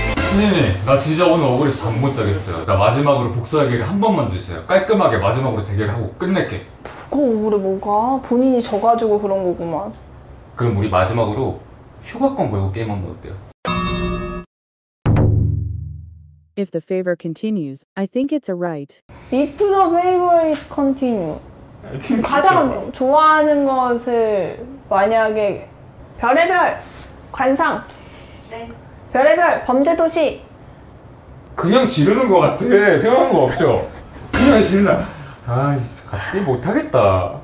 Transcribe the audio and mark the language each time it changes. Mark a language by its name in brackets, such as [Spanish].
[Korean] 선생님, 나 진짜 오늘 억울해서 잠 못 자겠어요. 나 마지막으로 복수 얘기를 한 번만 주세요. 깔끔하게 마지막으로 대결하고 끝낼게. 뭐가 억울해, 뭐가? 본인이 져가지고 그런 거구만. 그럼 우리 마지막으로 휴가권 걸고 게임 한번 볼게요. [English] If the favor continues, I think it's a right. If the favor continues. [Korean] 가장 좋아하는 것을 만약에 별의별 관상. 네. 별의별 범죄도시. 그냥 지르는 것 같아. 생각한 거 없죠? 그냥 지른다. 아이 같이 게임 못하겠다.